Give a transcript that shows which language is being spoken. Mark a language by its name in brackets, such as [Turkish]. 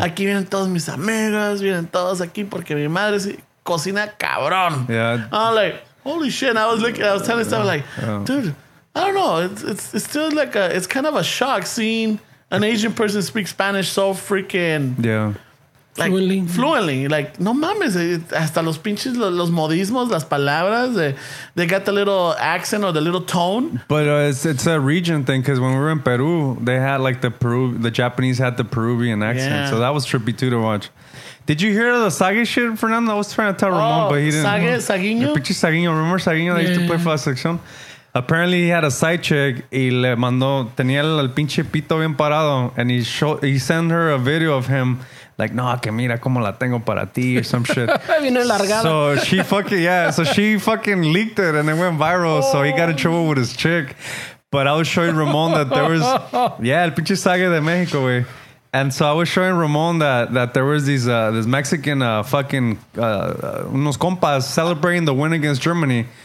[Spanish] Aquí vienen todos mis amigos, vienen todos aquí porque mi madre cocina cabrón. [English] Yeah. I'm like, holy shit. And I was telling stuff like, dude, I don't know. It's still like it's kind of a shock seeing an Asian person speak Spanish so freaking. Yeah. Like, fluently. [Spanish] Like, no mames. Hasta los pinches, los modismos, las palabras. [English] They got the little accent or the little tone. But it's a region thing, because when we were in Peru, they had like the Japanese had the Peruvian accent. Yeah. So that was trippy too to watch. Did you hear the Sagi shit, Fernando? I was trying to tell Ramon, but he didn't. Sagi, Saguinho? The pinche Saguinho. Remember Saguinho that used to play for La Sección? Apparently he had a side chick y le mandó, tenía el pinche pito bien parado, and he sent her a video of him. [Spanish] Like, no, que mira cómo la tengo para ti or some shit. [English] So she fucking, leaked it and it went viral. Oh. So he got in trouble with his chick. But I was showing Ramon that there was, el pinche Sague de Mexico, güey. And so I was showing Ramon that there was these this Mexican fucking unos compas celebrating the win against Germany.